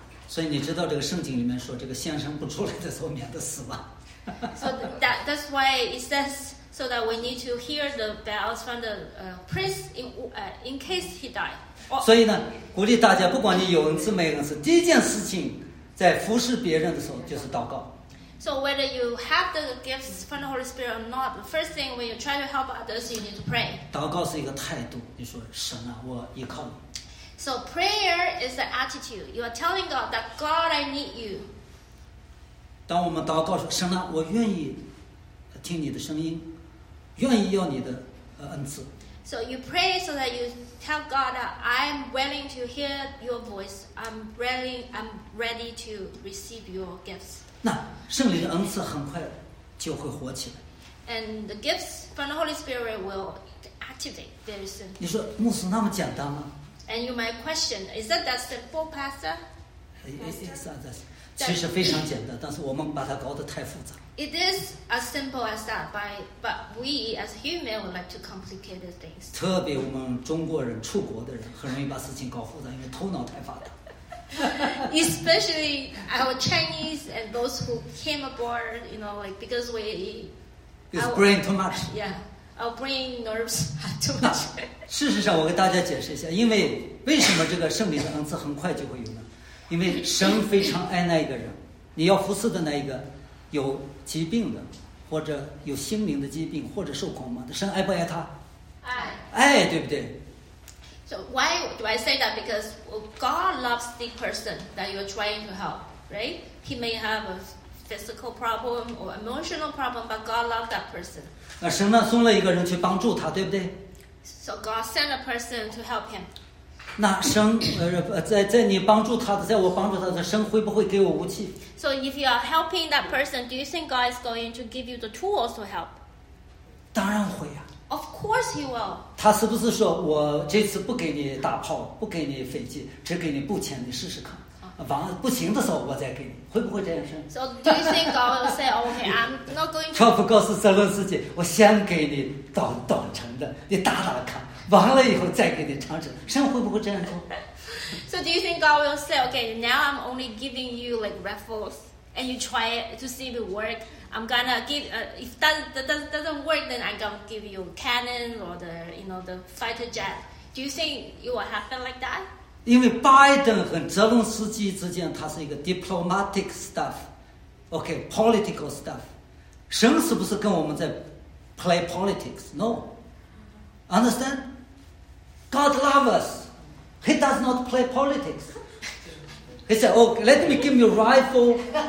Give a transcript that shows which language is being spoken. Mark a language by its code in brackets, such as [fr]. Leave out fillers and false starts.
[zh] 所以你知道这个圣经里面说这个先生不出来的时候免得死亡。 [en] So that's why it says so that we need to hear the bells from the priest in case he died. [zh] 所以呢，鼓励大家，不管你有恩赐没恩赐，第一件事情在服侍别人的时候就是祷告。 [en] So whether you have the gifts from the Holy Spirit or not, the first thing when you try to help others, you need to pray. [zh] 祷告是一个态度，你说神啊，我依靠你。 [en] So prayer is the attitude. You are telling God that God, I need you. [zh] 当我们祷告说神啊，我愿意听你的声音，愿意要你的恩赐。 [en] So you pray so that you tell God that I'm willing to hear your voice. I'm ready to receive your gifts. [zh] 那圣灵的恩赐很快就会活起来。 [en] And the gifts from the Holy Spirit will activate very soon. [zh] 你说牧师那么简单吗 [en] ？And you might question, is that that simple, Pastor? Yes, that's. [zh] 其实非常简单，但是我们把它搞得太复杂。 [en] It is as simple as that, but we as human would like to complicate things. [zh] 特别我们中国人出国的人，很容易把事情搞复杂，因为头脑太发达。 [en] Especially our Chinese and those who came aboard, you know, like because we. It's brain too much. Yeah, our brain nerves too much. [zh] 事实上，我给大家解释一下，因为为什么这个圣灵的恩赐很快就会有呢？因为神非常爱那一个人，你要服侍的那一个有疾病的，或者有心灵的疾病，或者受苦吗？神爱不爱他？爱。爱，对不对？ [en] So why do I say that? Because God loves the person that you're trying to help, right? He may have a physical problem or emotional problem, but God loves that person. [zh] 那神呢，送了一个人去帮助他，对不对 [en] ？So God sent a person to help him. [zh] 那神在你帮助他的，在我帮助他的，神会不会给我武器 [en] ？So if you are helping that person, do you think God is going to give you the tools to help? [zh] 当然会呀。 [en] Of course he will. [zh] 他是不是说我这次不给你大炮，不给你飞机，只给你步枪，你试试看。完了不行的时候我再给你，会不会这样说 [en] ？So do you think God will say, "Okay, I'm not going"? [zh] 他不告诉泽伦斯基，我先给你短程的，你打打看，完了以后再给你长程。神会不会这样说 [en] ？So do you think God will say, "Okay, now I'm only giving you like rifles, and you try to see if it works"? I'm gonna give. If that doesn't work, then I'm gonna give you cannon or the, you know, the fighter jet. Do you think it will happen like that? Because Biden and Zelensky [zh] 之间，它是一个 [en] diplomatic stuff. okay, political stuff. [zh] 神是不是跟我们在 [en] play politics? No. Understand? God loves us. He does not play politics. He said, oh, let me give you a rifle.